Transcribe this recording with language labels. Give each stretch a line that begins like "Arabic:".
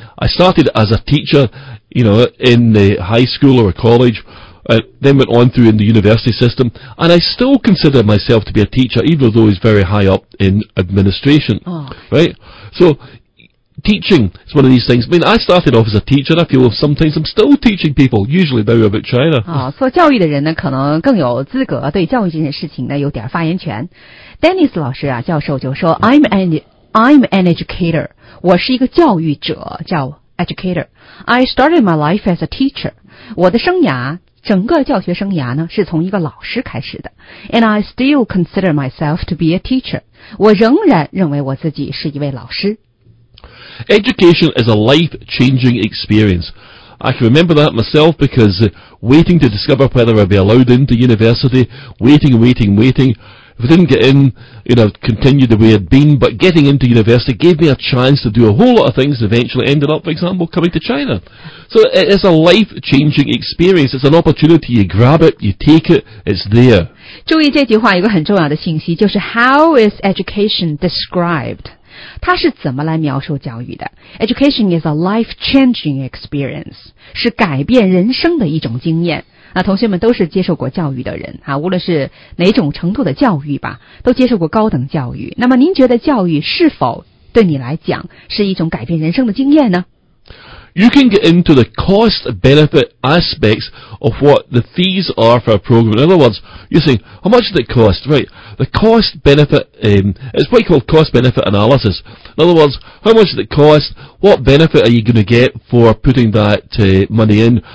English: I started as a teacher, you know, in the high school or a college, then went on through in the university system, and I still consider myself to be a teacher, even though he's very high up in administration. Oh. Right? So... Teaching is one of these things. I mean, I started off as a teacher. I feel sometimes I'm still teaching people, usually though about China.
Chinese: 做教育的人呢，可能更有资格对教育这件事情呢有点发言权。 Dennis 老师啊，教授就说
English: I'm an educator.
Chinese: 我是一个教育者，叫
English: educator. I started my life as a teacher.
Chinese: 我的生涯，整个教学生涯呢，是从一个老师开始的。
English: And I still consider myself to be a teacher.
Chinese: 我仍然认为我自己是一位老师。
English: Education is a life-changing experience. I can remember that myself because waiting to discover whether I'd be allowed into university, waiting. If I didn't get in, you know, continued the way I'd been, but getting into university gave me a chance to do a whole lot of things and eventually ended up, for example, coming to China. So it's a life-changing experience. It's an opportunity. You grab it, you take it, it's there.
Chinese: 注意这句话有个很重要的信息，就是
English: How is education described?
Chinese: 它是怎么来描述教育的 ？
English: Education is a life-changing experience，
Chinese: 是改变人生的一种经验。那同学们都是接受过教育的人啊，无论是哪种程度的教育吧，都接受过高等教育。那么您觉得教育是否对你来讲是一种改变人生的经验呢
English: ？You can get into the cost-benefit aspects of what the fees are for a program. In other words, you're saying how much does it cost, right? The cost-benefit, it's what you call cost-benefit analysis. In other words, how much does it cost? What benefit are you going to get for putting that money in?